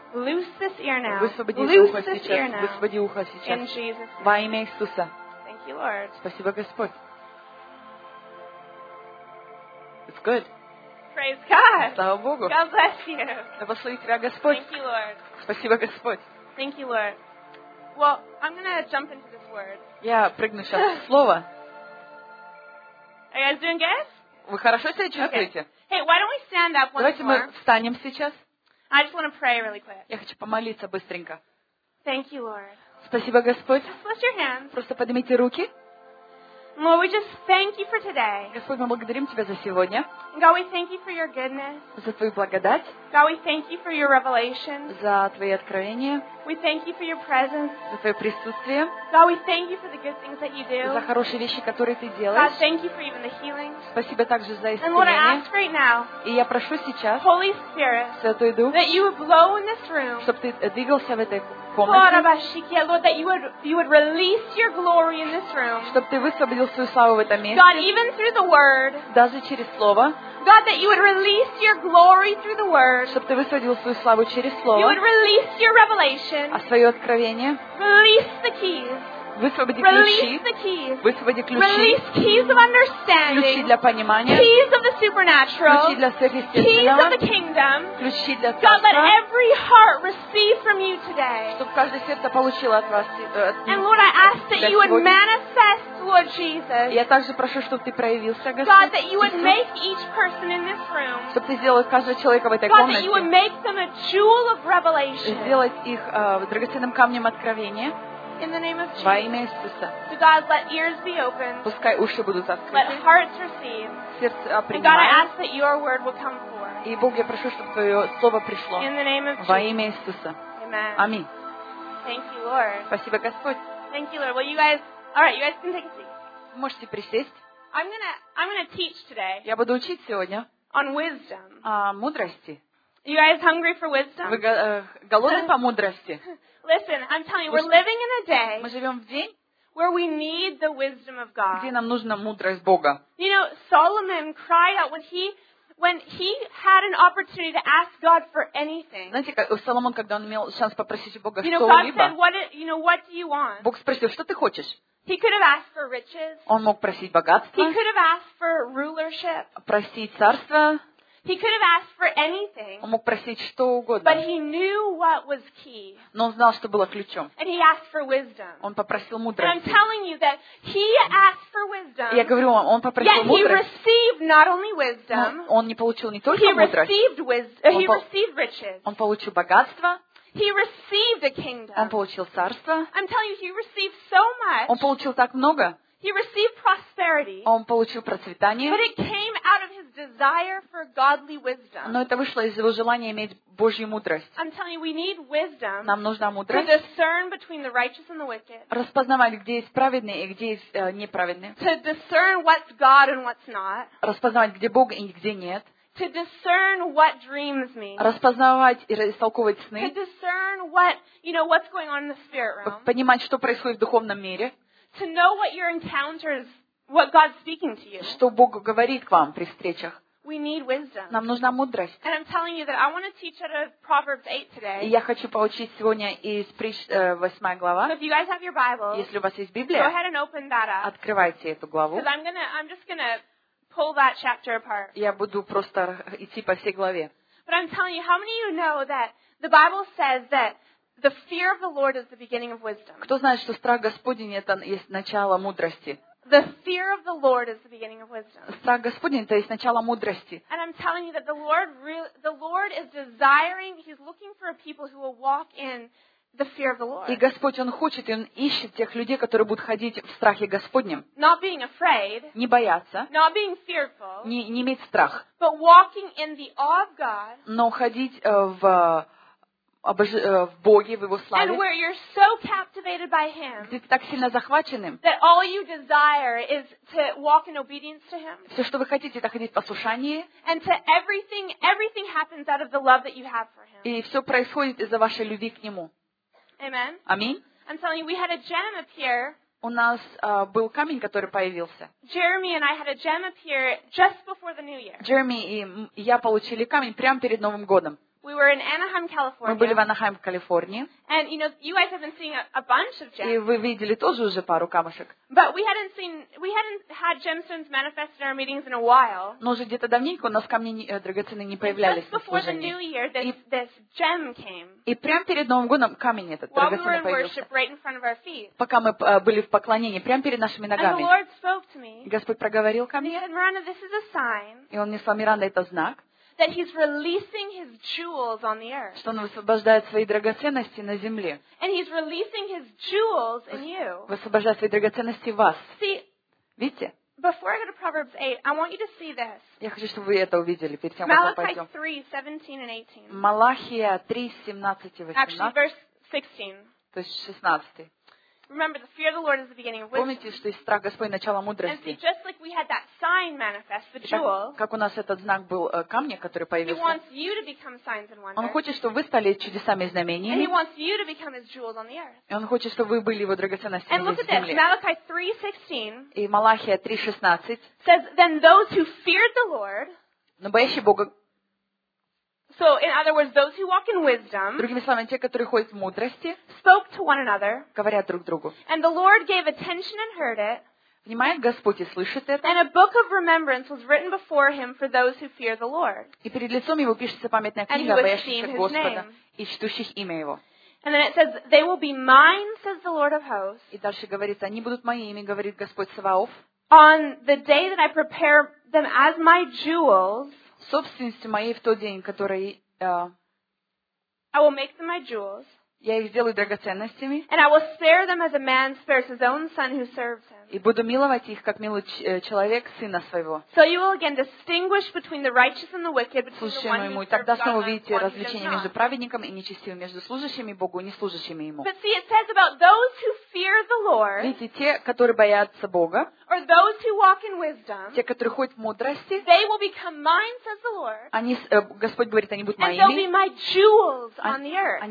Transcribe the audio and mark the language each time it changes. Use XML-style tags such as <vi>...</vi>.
<en>Loose this ear now.</en> <ru>Высвободи ухо сейчас. Высвободи ухо сейчас.</ru> <en>In Jesus.</en> <ru>Во имя Иисуса.</ru> <en>Thank you, Lord.</en> <ru>Спасибо, Господь.</ru> <en>It's good. Praise God.</en> <ru>Слава Богу.</ru> <en>God bless you.</en> <ru>Да благослови тебя Господь.</ru> <en>Thank you, Lord.</en> <ru>Спасибо, Господь.</ru> <en>Thank you, Lord. Well, I'm going to jump into this word.</en> <ru>Я прыгну сейчас в слово.</ru> <en>Are you guys doing good?</en> <ru>Вы хорошо себя чувствуете?</ru> <en>Okay. Hey, why don't we stand up once</en> <ru>Давайте</ru> <en>more?</en> <ru>Давайте мы встанем сейчас.</ru> <en>I just want to pray really quick.</en> <ru>Я хочу помолиться быстренько.</ru> <en>Thank you, Lord.</en> <ru>Спасибо, Господь.</ru> <en>Just lift your hands.</en> <ru>Просто поднимите руки.</ru> <en>Lord, we just thank you for today.</en> <ru>Господь, мы благодарим тебя за сегодня.</ru> <en>God, we thank you for your goodness.</en> <ru>За твою благодать.</ru> <en>God, we thank you for your revelation.</en> <ru>За твои откровения.</ru> <en>We thank you for your presence.</en> <ru>За твое присутствие.</ru> <en>God, we thank you for the good things that you do.</en> <ru>За хорошие вещи, которые ты делаешь.</ru> <en>God, thank you for even the healing.</en> <ru>Спасибо также за исцеление.</ru> <en>And Lord, I ask right now.</en> <ru>И я прошу сейчас.</ru> <en>Holy Spirit.</en> <ru>Святой Дух.</ru> <en>That you would blow in this room.</en> <ru>Чтоб ты двигался в этой комнате.</ru> <en>Lord, that you would release your glory in this room.</en> <ru>Чтоб ты высвободил свою славу в этом месте.</ru> <en>God, even through the word.</en> <ru>Даже через слово.</ru> <en>God, that you would release your glory through the word.</en> <ru>Чтоб ты высвободил свою славу через слово.</ru> <en>You would release your revelation.</en> <ru>А свое откровение.</ru> <en>Release the keys.</en> <ru>Высвободи ключи. Высвободи ключи.</ru> <en>Release keys of understanding.</en> <ru>Ключи для понимания.</ru> <en>Keys of the supernatural.</en> <ru>Ключи для сверхъестественного.</ru> <en>Keys of the kingdom.</en> <ru>Ключи для царства.</ru> <en>God, let every heart receive from you today.</en> <ru>Чтобы каждое сердце получило от вас.</ru> <en>And Lord, I ask that you would manifest, Lord Jesus.</en> <ru>Я также прошу, чтобы ты проявился, Господь.</ru> <en>God, that you would make each person in this room.</en> <ru>Чтобы ты сделал каждого человека в этой</ru> <en>God,</en> <ru>комнате.</ru> <en>God, that you would make them a jewel of revelation.</en> <ru>Сделать их драгоценным камнем откровения.</ru> <en>In the name of Jesus. So God, let ears be open.</en> <ru>Пускай уши будут открыты.</ru> <en>Let hearts receive.</en> <ru>Сердце принимает.</ru> <en>And God, I ask that your word will come forth.</en> <ru>И Бог, я прошу, чтобы твое слово пришло.</ru> <en>In the name of Jesus.</en> <ru>Во имя Иисуса.</ru> <en>Amen.</en> <ru>Аминь.</ru> <en>Thank you, Lord.</en> <ru>Спасибо, Господь.</ru> <en>Thank you, Lord. Well, you guys, all right, you guys can take a seat.</en> <ru>Можете присесть.</ru> <en>I'm gonna teach today.</en> <ru>Я буду учить сегодня.</ru> <en>On wisdom.</en> <ru>О мудрости.</ru> <en>You guys hungry for wisdom?</en> <ru>Вы голодны по мудрости?</ru> <en>Listen, I'm telling you, we're living in a day where we need the wisdom of God.</en> <ru>Где нам нужна мудрость Бога?</ru> <en>You know, Solomon cried out when he had an opportunity to ask God for anything.</en> <ru>Знаете, как Соломон, когда он имел шанс попросить Бога что-либо?</ru> <en>You know, God said, what do you want?</en> <ru>Бог спросил, что ты хочешь?</ru> <en>He could have asked for riches.</en> <ru>Он мог просить богатства.</ru> <en>He could have asked for rulership.</en> <ru>Просить царство.</ru> <en>He could have asked for anything.</en> <ru>Он мог просить что угодно.</ru> <en>But he knew what was key.</en> <ru>Но он знал, что было ключом.</ru> <en>And he asked for wisdom.</en> <ru>Он попросил мудрости.</ru> <en>And I'm telling you that he asked for wisdom.</en> <ru>Я говорю вам, он попросил мудрости.</ru> <en>Yet he received not only wisdom.</en> <ru>Он не получил не только мудрость.</ru> <en>He received riches.</en> <ru>Он получил богатство.</ru> <en>He received a kingdom.</en> <ru>Он получил царство.</ru> <en>I'm telling you, he received so much.</en> <ru>Он получил так много.</ru> <en>He received prosperity.</en> <ru>Он получил процветание.</ru> <en>But it came out of his desire for godly wisdom.</en> <ru>Но это вышло из его желания иметь Божью мудрость.</ru> <en>I'm telling you, we need wisdom.</en> <ru>Нам нужна мудрость.</ru> <en>To discern between the righteous and the wicked.</en> <ru>Распознавать, где есть праведные и где есть неправедные.</ru> <en>To discern what's God and what's not.</en> <ru>Распознавать, где Бог и где нет.</ru> <en>To discern what dreams mean.</en> <ru>Распознавать и истолковывать сны.</ru> <en>To discern what, you know, what's going on in the spirit realm.</en> <ru>Понимать, что происходит в духовном мире.</ru> <en>To know what your encounters, what God's speaking to you.</en> <ru>Что Бог говорит к вам при встречах.</ru> <en>We need wisdom.</en> <ru>Нам нужна мудрость.</ru> <en>And I'm telling you that I want to teach out of Proverbs 8 today.</en> <ru>И я хочу поучить сегодня из притч 8 глава.</ru> <en>So if you guys have your Bible,</en> <ru>если у вас есть Библия,</ru> <en>go ahead and open that up.</en> <ru>Открывайте эту главу.</ru> <en>Because I'm just gonna pull that chapter apart.</en> <ru>Я буду просто идти по всей главе.</ru> <en>But I'm telling you, how many of you know that the Bible says that the fear of the Lord is the beginning of wisdom?</en> <ru>Кто знает, что страх Господень это есть начало мудрости?</ru> <en>The fear of the Lord is the beginning of wisdom.</en> <ru>Страх Господень это есть начало мудрости.</ru> <en>And I'm telling you that the Lord is desiring, he's looking for a people who will walk in the fear of the Lord.</en> <ru>И Господь он хочет, он ищет тех людей, которые будут ходить в страхе Господнем.</ru> <en>Not being afraid.</en> <ru>Не бояться.</ru> <en>Not being fearful.</en> <ru>Не иметь страх.</ru> <en>But walking in the awe of God.</en> <ru>Но ходить в Боге, в Его славе.</ru> <en>And where you're so captivated by him.</en> <ru>Где ты так сильно захвачен им.</ru> <en>That all you desire is to walk in obedience to him.</en> <ru>Все, что вы хотите, это ходить в послушании.</ru> <en>And to everything happens out of the love that you have for him.</en> <ru>И все происходит из-за вашей любви к нему.</ru> <en>Amen.</en> <ru>Аминь.</ru> <en>I'm telling you, we had a gem appear.</en> <ru>У нас был камень, который появился.</ru> <en>Jeremy and I had a gem appear just before the new year.</en> <ru>Jeremy и я получили камень прямо перед Новым годом.</ru> <en>We were in Anaheim, California.</en> <ru>Мы были в Анахайме, Калифорнии.</ru> <en>And you know, you guys have been seeing a bunch of gems.</en> <ru>И вы видели тоже уже пару камушек.</ru> <en>But we hadn't had gemstones manifest in our meetings in a while.</en> <ru>Но уже где-то давненько у нас камни драгоценные не появлялись.</ru> <en>Just before the new year, this gem came.</en> <ru>И прямо перед Новым годом камень этот драгоценный появился.</ru> <en>While we were in worship, right in front of our feet.</en> <ru>Пока мы были в поклонении, прямо перед нашими ногами.</ru> <en>And the Lord spoke to me.</en> <ru>Господь проговорил ко мне.</ru> <en>He said, Miranda, this is a sign.</en> <ru>И он мне сказал, Миранда, это знак.</ru> <en>That he's releasing his jewels on the earth.</en> <ru>Что он высвобождает свои драгоценности на земле.</ru> <en>And he's releasing his jewels in you.</en> <ru>Высвобождает свои драгоценности в вас.</ru> <en>See,</en> <ru>видите?</ru> <en>Before I go to Proverbs 8, I want you to see this.</en> <ru>Я хочу, чтобы вы это увидели перед тем, как мы пойдем. Malachi 3:17-18. Малахия 3:17-18.</ru> <en>Actually, verse 16.</en> <ru>То есть 16.</ru> <en>Remember, the fear of the Lord is the beginning of wisdom.</en> <ru>Помните, что есть страх Господень, начало мудрости.</ru> <en>And see, just like we had that sign manifest, the jewel.</en> <ru>Как у нас этот знак был камня, который появился.</ru> <en>He wants you to become signs and wonders.</en> <ru>Он хочет, чтобы вы стали чудесами и знамениями.</ru> <en>And he wants you to become his jewels on the earth.</en> <ru>И он хочет, чтобы вы были его драгоценностями на земле.</ru> <en>And look at this, Malachi 3:16.</en> <ru>И Малахия 3:16.</ru> <en>Says, then those who feared the Lord.</en> <ru>Но боящие Бога.</ru> <en>So, in other words, those who walk in wisdom,</en> <ru>другими словами, те, которые ходят в мудрости,</ru> <en>spoke to one another,</en> <ru>говорят друг другу,</ru> <en>and the Lord gave attention and heard it,</en> <ru>внимает Господь и слышит это,</ru> <en>and a book of remembrance was written before him for those who fear the Lord,</en> <ru>и перед лицом его пишется памятная книга, боящихся Господа и чтущих имя его.</ru> <en>And then it says, they will be mine, says the Lord of hosts,</en> <ru>и дальше говорится, они будут моими, говорит Господь Саваоф,</ru> <en>on the day that I prepare them as my jewels,</en> <ru>собственностью моей в тот день, который</ru> <en>I will make them my jewels,</en> <ru>я их сделаю драгоценностями,</ru> <en>and I will spare them as a man spares his own son who serves him.</en> <ru>И буду миловать их, как милует человек сына своего.</ru> <en>So you will again distinguish between the righteous and the wicked, between</en> <ru>слушаем</ru> <en>the one who serves God and the one who does not.</en> <ru>Тогда снова увидите различение между праведником и нечестивым, между служащими Богу и неслужащими ему.</ru> <en>But see, it says about those who fear the Lord.</en> <ru>Видите, те, которые боятся Бога.</ru> <en>Or those who walk in wisdom.</en> <ru>Те, которые ходят в мудрости.</ru> <en>They will become mine, says the Lord.</en> <ru>Они, Господь говорит, они будут моими.</ru> <en>And they'll be my jewels on the earth.</en>